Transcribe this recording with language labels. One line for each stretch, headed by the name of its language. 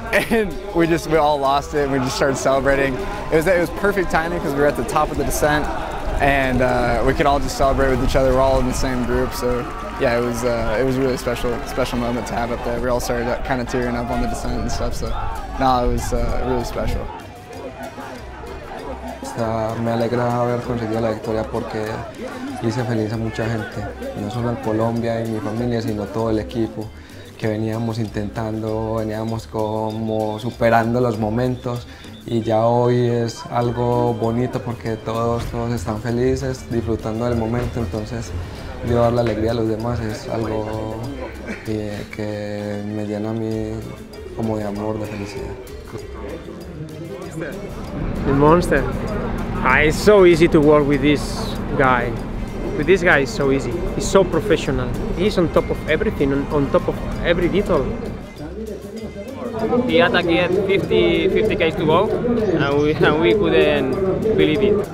English: And we all lost it and we just started celebrating. It was perfect timing because we were at the top of the descent and we could all just celebrate with each other. We're all in the same group. So yeah, it was a really special moment to have up there. We all started kind of tearing up on the descent and stuff. So no, it was really special.
Spanish: Me alegra haber conseguido la victoria porque hice feliz a mucha gente, no solo en Colombia y mi familia, sino todo el equipo que veníamos intentando, veníamos como superando los momentos y ya hoy es algo bonito porque todos están felices, disfrutando del momento, entonces yo dar la alegría a los demás es algo que me llena a mí como de amor, de felicidad.
English: The monster. It's so easy to work with this guy. With this guy, it's so easy. He's so professional. He's on top of everything, on top of every detail. The attack had 50 k's to go, and we couldn't believe it.